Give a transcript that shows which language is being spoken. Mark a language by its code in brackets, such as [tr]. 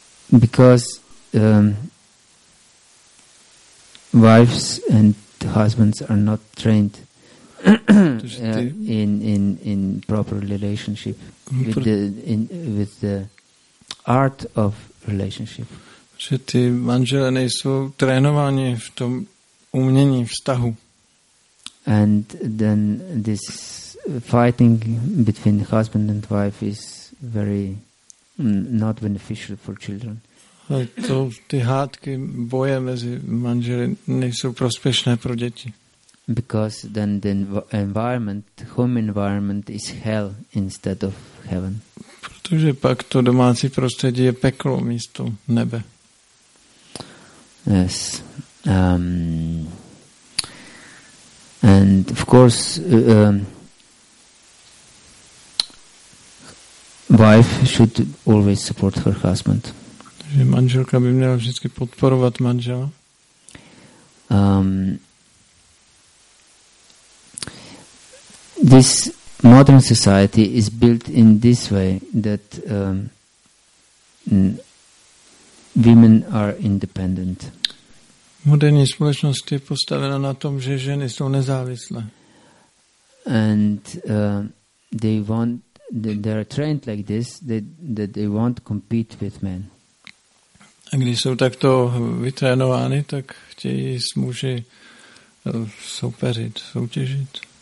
[en] Because wives and husbands are not trained in proper relationship with the art of relationship. [cs] Že ty manželé nejsou trénováni v tom umění vztahu. [en] And then this fighting between husband and wife is very not beneficial for children. [cs] To ty hádky, boje mezi manželi nejsou prospěšné pro děti. [en] Because then the environment, home environment is hell instead of heaven. [cs] Protože pak to domácí prostředí je peklo místo nebe. [en] Yes. And of course, wife should always support her husband. [cs] Že manželka by měla vždycky podporovat manžela. [en] This modern society is built in this way that women are independent. [cs] Moderní společnost je postavena na tom, že ženy jsou nezávislé. [en] And they want, they are trained like this, that they won't compete with men. [cs] A když jsou takto vytrénovány, tak chtějí s muži soupeřit, soutěžit.